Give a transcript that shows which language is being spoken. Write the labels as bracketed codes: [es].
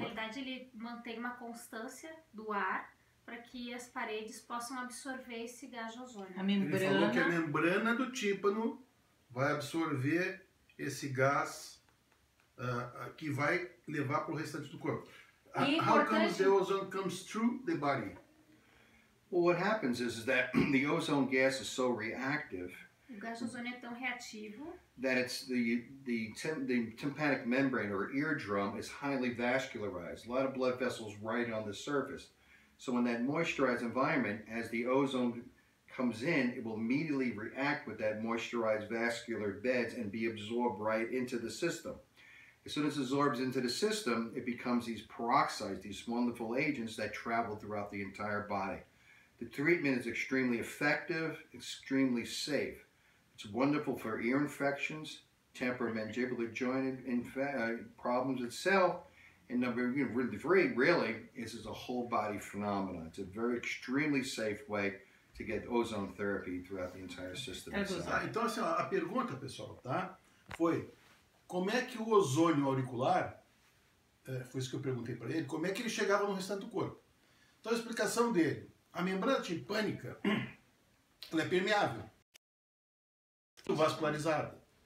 [pt] Na realidade, ele mantém uma constância do ar para que as paredes possam absorver esse gás de ozônio. A membrana. Ele falou que a membrana do tímpano vai absorver esse gás que vai levar para o restante do corpo. [en] How comes the ozone comes through the body? Well, what happens is that the ozone gas is so reactive. [pt] O gás de ozônio é tão reativo. [en] That it's the tympanic membrane or eardrum is highly vascularized. A lot of blood vessels right on the surface. So in that moisturized environment, as the ozone comes in, it will immediately react with that moisturized vascular beds and be absorbed right into the system. As soon as it absorbs into the system, it becomes these peroxides, these wonderful agents that travel throughout the entire body. The treatment is extremely effective, extremely safe. It's wonderful for ear infections, temporary mandibular joint problems itself, and this is a whole body phenomenon. It's a very extremely safe way to get ozone therapy throughout the entire system. [pt] Então, assim, a pergunta, pessoal, tá? Foi, como é que o ozônio auricular, foi isso que eu perguntei para ele, como é que ele chegava no restante do corpo? Então, a explicação dele. A membrana timpânica, ela é permeável, vascularizada.